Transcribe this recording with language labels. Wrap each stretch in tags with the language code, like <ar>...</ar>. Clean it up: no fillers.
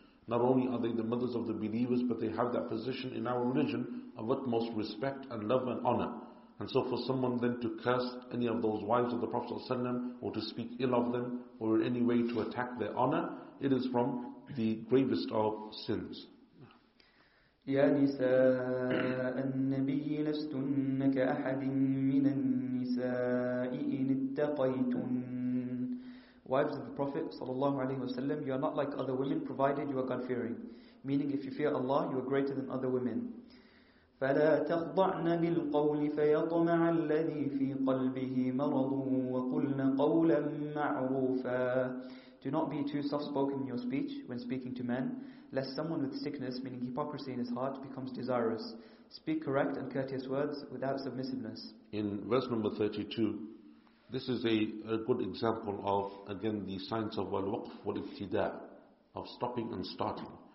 <en>Not only are they the mothers of the believers, but they have that position in our religion of utmost respect and love and honor. And so for someone then to curse any of those wives of the Prophet sallallahu alayhi wa sallam, or to speak ill of them, or in any way to attack their honor, it is from the gravest of sins.</en> <ar>يا نساء النبي لستنك أحد من النساء إن اتقيتن.</ar> <en>Wives of the Prophet sallallahu alaihi wasallam, you are not like other women provided you are God fearing, meaning if you fear Allah you are greater than other women.</en> <ar>فلا تخضعن بالقول فيطمع الذي في قلبه مرض وقلن قولا معروفا.</ar> <en>Do not be too soft-spoken in your speech when speaking to men, lest someone with sickness, meaning hypocrisy in his heart, becomes desirous. Speak correct and courteous words without submissiveness. In verse number 32, this is a good example of, again, the science of wal-waqf wal-ibtida, of stopping and starting.</en>